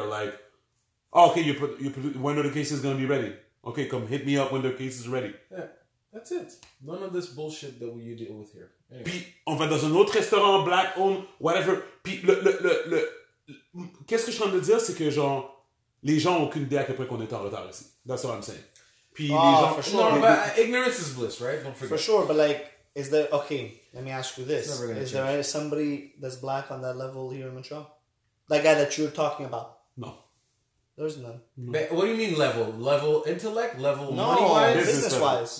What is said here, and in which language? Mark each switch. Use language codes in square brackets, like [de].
[en] Like, oh, okay, when are the cases going to be ready? Okay, come hit me up when the case is ready. Yeah, that's it. None of this bullshit that you deal with here. [fr] Anyway. Puis, on va dans un autre restaurant, [en] black owned, whatever. [fr] Puis, le qu'est-ce que je suis en train de dire, c'est que genre, les gens n'ont aucune idée à quel point qu'on est en retard ici. [en] That's what I'm saying. [fr] Puis, les gens, [en] for sure. No, but ignorance is bliss, right? Don't forget. For sure, but like, is there, okay, let me ask you this. Is change. There somebody that's black on that level here in Montreal? That guy that you're talking about? No. There's none. But what do you mean level? Level intellect? Level no, money wise? Business wise.